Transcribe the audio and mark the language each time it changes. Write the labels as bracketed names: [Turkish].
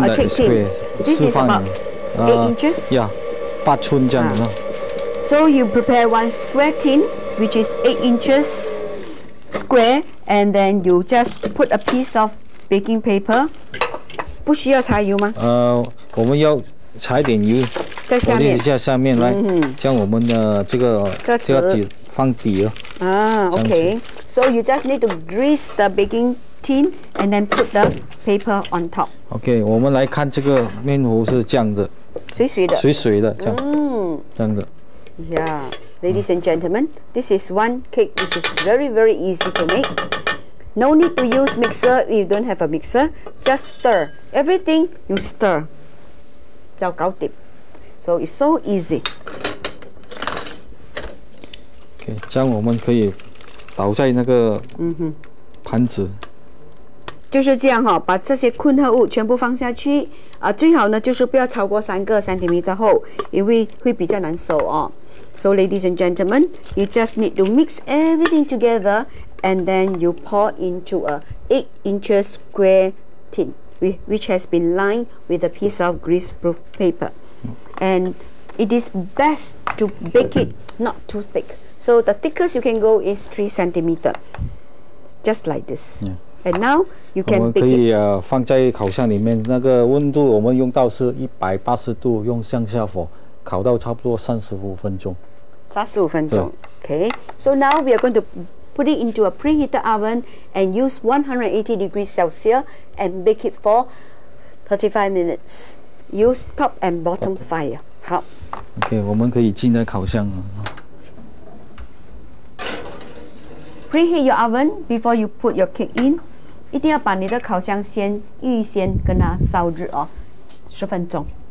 [English] a cake tin. This is about 8 inches. [Chinese] Yeah. 八寸这样子、 [English] So you prepare one square tin, which is 8 inches square, and then you just put a piece of baking paper. [Chinese] 不需要柴油吗？我们要柴一点油。在下面。我在下面来，将我们的这个这个纸放底了。 [English] Okay. So you just need to grease the baking tin and then put the paper on top. [Chinese] Okay, 我们来看这个面糊是这样子。水水的，水水的，这样，这样的。 [English] Yeah, ladies and gentlemen, this is one cake which is very, very easy to make. No need to use mixer if you don't have a mixer. Just stir everything. You stir. [Chinese] 就搞定。 [English] So it's so easy. [Chinese] Okay, 这样我们可以倒在那个盘子。就是这样哈、哦，把这些混合物全部放下去啊，最好呢就是不要超过3个cm 厚，因为会比较难收哦。 [English] So ladies and gentlemen, you just need to mix everything together, and then you pour into a 8-inch square tin, which has been lined with a piece of greaseproof paper. And it is best to bake it not too thick. So the thickest you can go is 3 cm, just like this.、 Yeah. And now you can [Chinese] 我们可以、放在烤箱里面，那个温度我们用到是180度，用上下火烤到差不多35分钟。 35分钟。Okay. [English] So now we are going to put it into a preheated oven and use 180°C and bake it for 35 minutes. Use top and bottom fire. 好。 [Chinese] Okay, 我们可以进到烤箱了。 [English] Preheat your oven before you put your cake in. [Chinese] 一定要把你的烤箱先预先跟它烧热哦，10分钟。